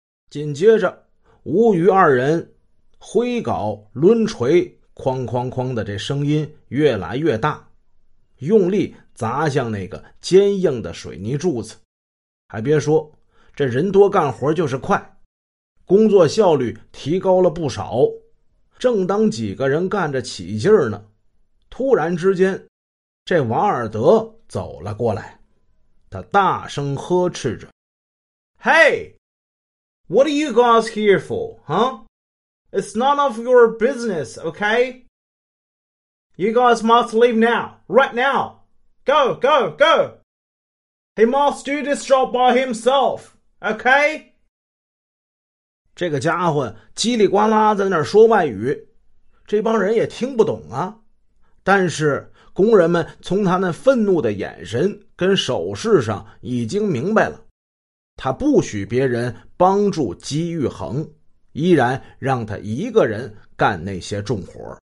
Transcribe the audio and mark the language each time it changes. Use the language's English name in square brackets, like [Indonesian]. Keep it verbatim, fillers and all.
[Chinese] 紧接着，吴于二人挥镐抡锤，哐哐哐的这声音越来越大，用力砸向那个坚硬的水泥柱子。还别说，这人多干活就是快，工作效率提高了不少。正当几个人干着起劲儿呢，突然之间，这瓦尔德走了过来。他大声呵斥着 [English] Hey, what are you guys here for, huh? It's none of your business, okay? You guys must leave now, right now. Go, go, go. He must do this job by himself, okay? [Chinese] 这个家伙叽里呱啦在那儿说外语，这帮人也听不懂啊。但是工人们从他那愤怒的眼神跟手势上已经明白了，他不许别人帮助姬玉恒，依然让他一个人干那些重活。